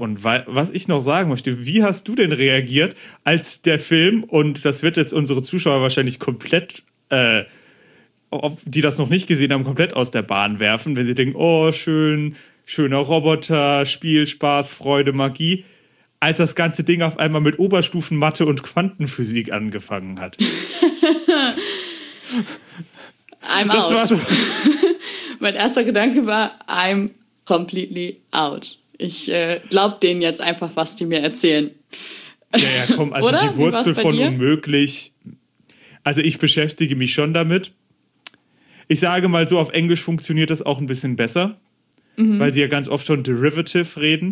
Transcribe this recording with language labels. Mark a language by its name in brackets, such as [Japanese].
[German] Und was ich noch sagen möchte, wie hast du denn reagiert, als der Film, und das wird jetzt unsere Zuschauer wahrscheinlich komplett, die das noch nicht gesehen haben, komplett aus der Bahn werfen, wenn sie denken, oh schön, schöner Roboter, Spiel, Spaß, Freude, Magie, als das ganze Ding auf einmal mit Oberstufen Mathe und Quantenphysik angefangen hat. I'm das out. War so. Mein erster Gedanke war, [English] I'm completely out. [German] Ich glaub denen jetzt einfach, was die mir erzählen. Ja, komm, also die Wurzel von dir? Unmöglich. Also ich beschäftige mich schon damit. Ich sage mal so, auf Englisch funktioniert das auch ein bisschen besser. Mhm. Weil sie ja ganz oft von Derivative reden.